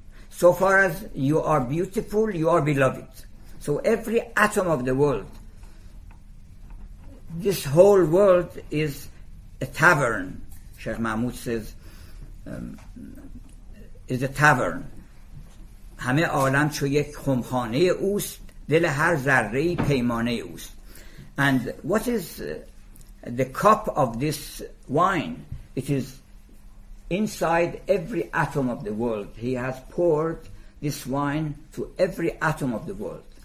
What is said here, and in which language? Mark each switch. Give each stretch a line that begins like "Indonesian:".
English: So far as you are beautiful, you are beloved. So every atom of the world, this whole world is a tavern, Sheikh Mahmoud says, is a tavern.
Persian: همه عالم چو یک خمخانه اوست، دل هر ذره پیمانه اوست.
English: And what is the cup of this wine? It is inside every atom of the world. He has poured this wine to every atom of the world.